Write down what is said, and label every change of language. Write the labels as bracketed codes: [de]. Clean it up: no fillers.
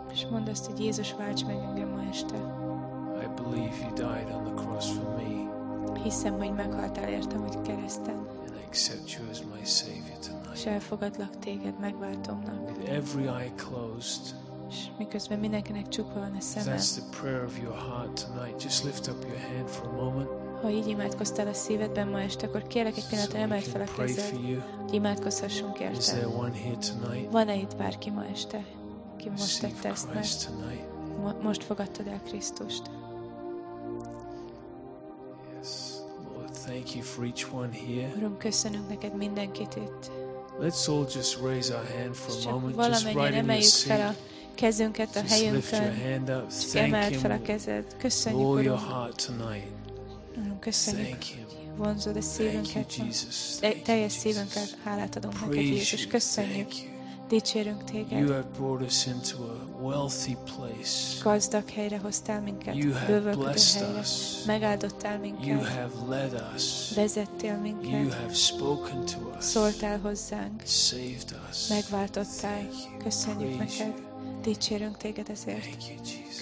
[hu] Mondd azt, hogy Jézus, válts meg engem ma este. [en] I believe you died on the cross for me. [hu] Hiszem, hogy meghaltál értem, hogy kereszten. [en] And I accept you as my savior tonight. [hu] És elfogadlak téged megváltomnak. [en] With every eye closed. [hu] És miközben mindenkinek csukva van a szeme. [en] That's the prayer of your heart tonight. Just lift up your hand for a moment. [hu] Ha így imádkoztál a szívedben ma este, akkor kérlek egy pillanatra, emeld fel a kezed, hogy imádkozhassunk érted. Is there one here tonight? Van-e itt bárki ma este? Ki most tette ezt meg. Most fogadtad el Krisztust. [en] Yes, Lord, thank you for each one here. [hu] Uram, köszönünk neked mindenkit itt. [en] Let's all just raise our hand for a moment. [hu] Csak valamennyire emeljük fel a kezünket a helyünkön. Csak emeld fel a kezed. Köszönjük, Uram. [en] Your heart tonight. [hu] Uram, köszönjük, hogy vonzod a szívünket. Teljes szívünket hálát adunk neked, Jézus. Köszönjük. Dicsérünk téged. [en] You have brought us into a wealthy place. [hu] Gazdag helyre hoztál minket. [en] You have blessed us. [hu] Megáldottál minket. [en] You have led us. [hu] Vezettél minket. [en] You have spoken to us. [hu] Szóltál hozzánk. [en] Saved us. [hu] Megváltottál. Köszönjük neked. Dicsérünk téged ezért. [en] Thank you, Jesus.